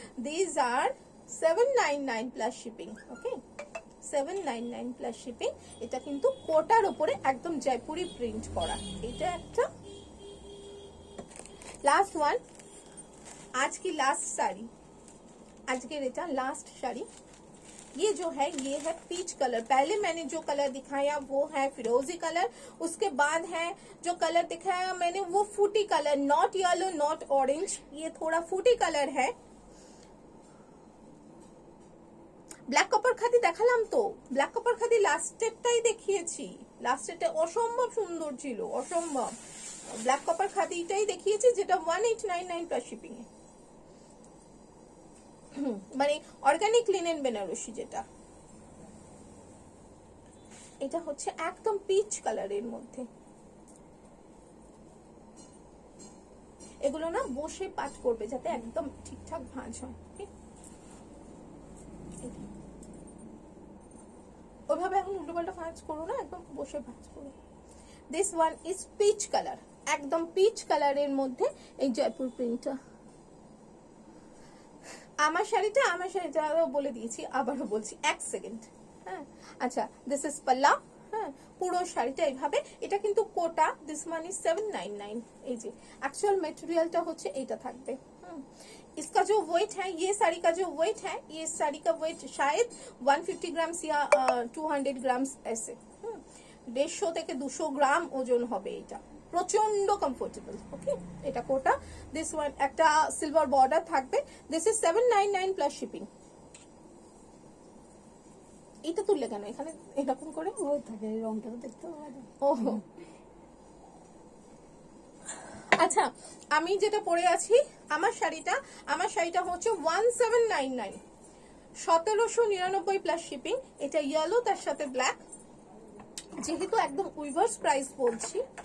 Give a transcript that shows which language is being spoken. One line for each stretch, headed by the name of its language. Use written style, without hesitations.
English: These are 799 plus shipping, okay 799 plus shipping.
Bangla: এটা কিন্তু কোটার উপরে একদম জয়পুরি প্রিন্ট করা, এটা একটা। লাস্ট ওয়ান, আজ কি লাস্ট শাড়ি, আজকের এটা লাস্ট শাড়ি,
Hindi: ये जो है ये है पीच कलर। पहले मैंने जो कलर दिखाया वो है फिरोजी कलर, उसके बाद है जो कलर दिखाया मैंने वो फूटी colour, not yellow not orange, ये थोड़ा फूटी कलर है।
Bangla: ব্ল্যাক কপার খাদি দেখালাম তো, ব্ল্যাক কপার খাদি লাস্টেরটাই দেখিয়েছি, লাস্টেরটা অসম্ভব সুন্দর ছিল, অসম্ভব। ব্ল্যাক কপার খাদিটাই দেখিয়েছি যেটা 1899 প্লাস শিপিং এ, মানে অর্গানিক লিনেন বেনারসি যেটা, এটা হচ্ছে একদম পিচ কালারের মধ্যে। এগুলো না বসে পাঠ করবে যাতে একদম ঠিকঠাক ভাঁজ হয়, ওভাবে এখন উল্টো পাল্টা ভাঁজ করো না, একদম বসে ভাঁজ করো।
English: this one is peach colour,
Bangla: একদম পিচ কালারের মধ্যে এই জয়পুর প্রিন্টটা। আমার শাড়িটা, আমার শাড়িটা বলে দিয়েছি, আবারও বলছি এক সেকেন্ড। হ্যাঁ আচ্ছা, দিস ইজ পাল্লা, হ্যাঁ পুরো শাড়িটা এইভাবে, এটা কিন্তু কোটা,
English: this one is 799,
Bangla: এই যে অ্যাকচুয়াল মেটেরিয়ালটা হচ্ছে এইটা থাকবে।
Hindi: इसका जो वेट है, ये साड़ी का जो वेट है, ये साड़ी का वेट शायद 150 ग्राम या 200 ग्राम ऐसे, 150-200 ग्राम ओजन
Bangla: হবে এটা, প্রচন্ড কমফোর্টেবল। ওকে এটা কোটা, দিস ওয়ান একটা সিলভার বর্ডার থাকবে,
English: This is 799 plus shipping.
Bangla: এটা তুললে কেন এখানে এরকম করে হয়ে থাকে, এই রংটা তো দেখতে ভালো। ওহ আচ্ছা, আমি যেটা পরে আছি, আমার শাড়িটা, আমার শাড়িটা হচ্ছে 1799 1799 প্লাস শিপিং, এটা ইয়েলো তার সাথে ব্ল্যাক, যেহেতু একদম উইভার্স প্রাইস বলছি।